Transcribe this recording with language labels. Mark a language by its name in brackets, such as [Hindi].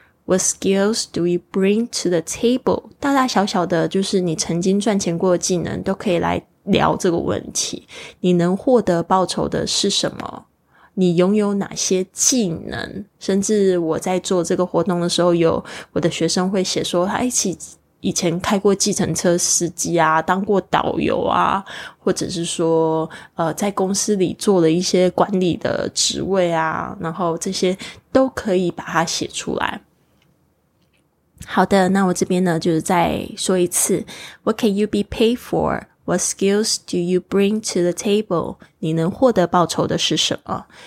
[English] What skills do you bring to the table? [Chinese] 大大小小的就是你曾经赚钱过的技能都可以来聊这个问题，你能获得报酬的是什么，你拥有哪些技能，甚至我在做这个活动的时候，有我的学生会写说，哎，以前开过计程车司机啊，当过导游啊，或者是说在公司里做了一些管理的职位啊，然后这些都可以把它写出来。好的，那我这边呢就是再说一次， [English] What can you be paid for? What skills do you bring to the table? [Chinese] 你能获得报酬的是什么？